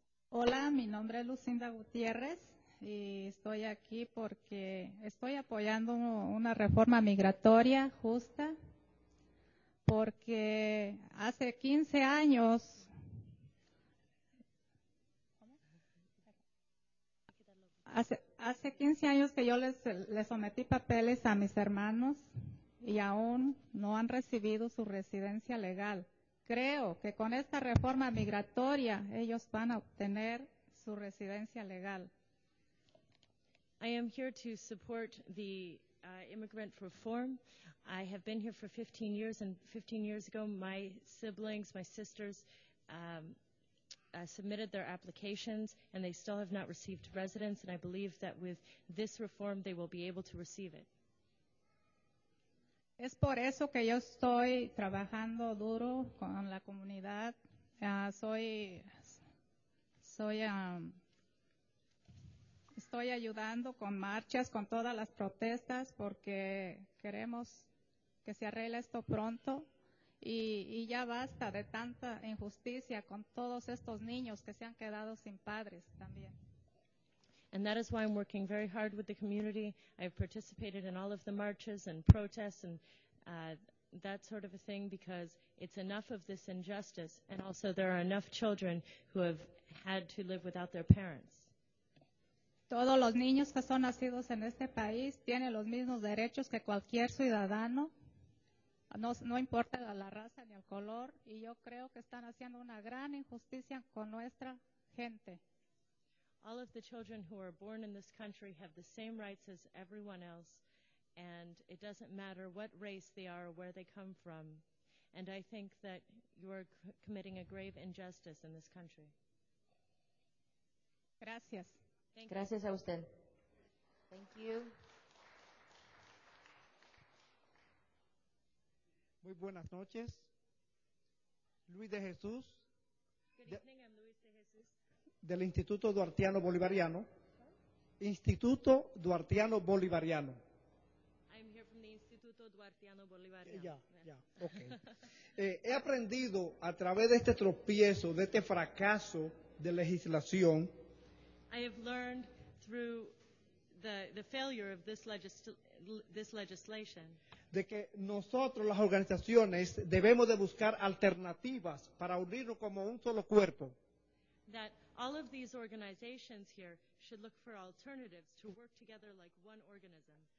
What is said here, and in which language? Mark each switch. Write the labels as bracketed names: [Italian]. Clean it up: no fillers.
[Spanish] Hola, mi nombre es Lucinda Gutiérrez y estoy aquí porque estoy apoyando una reforma migratoria justa, porque hace 15 años hace 15 años que yo les sometí papeles a mis hermanos y aún no han recibido su residencia legal. Creo que con esta reforma migratoria ellos van a obtener su residencia legal. [English] I am here to support the immigrant reform. I have been here for 15 years, and 15 years ago my siblings, my sisters, submitted their applications, and they still have not received residence, and I believe that with this reform they will be able to receive it. [Spanish] Es por eso que yo estoy trabajando duro con la comunidad. Estoy ayudando con marchas, con todas las protestas, porque queremos que se arregle esto pronto. Y ya basta de tanta injusticia con todos estos niños que se han quedado sin padres también. [English] And that is why I'm working very hard with the community. I've participated in all of the marches and protests and that sort of a thing, because it's enough of this injustice, and also there are enough children who have had to live without their parents. [Spanish] Todos los niños que son nacidos en este país tienen los mismos derechos que cualquier ciudadano, no importa la raza ni el color, y yo creo que están haciendo una gran injusticia con nuestra gente. [English] All of the children who are born in this country have the same rights as everyone else, and it doesn't matter what race they are or where they come from. And I think that you are committing a grave injustice in this country. [Spanish] Gracias. [English] Thank [Spanish] Gracias [English] you. [Spanish] A usted. [English] Thank you. [Spanish] Muy buenas noches. Luis de Jesús. [English] Good evening, I'm Luis de Jesús. [Spanish] Del Instituto Duartiano Bolivariano. Huh? Instituto Duartiano Bolivariano. [English] I'm here from the Instituto Duartiano Bolivariano. Okay. [Spanish] he aprendido a través de este tropiezo, de este fracaso de legislación. [English] I have learned through the failure of this legislation. [Spanish] De que nosotros, las organizaciones, debemos de buscar alternativas para unirnos como un solo cuerpo. [English] That all of these organizations here should look for alternatives to work together like one organism.